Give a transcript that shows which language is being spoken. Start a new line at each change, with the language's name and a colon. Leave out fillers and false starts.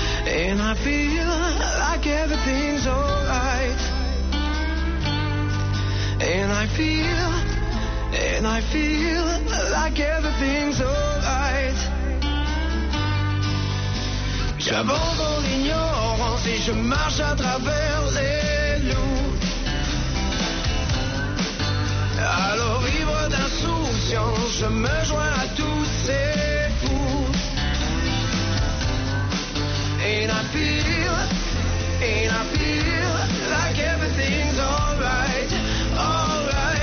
English: And I feel like everything's alright. feel, and I feel like everything's alright.
French: J'abandonne l'ignorance et je marche à travers les loups. Alors ivre d'insouciance, je me joins à tous ces fous.
English: And I feel, and I feel like everything's alright, alright.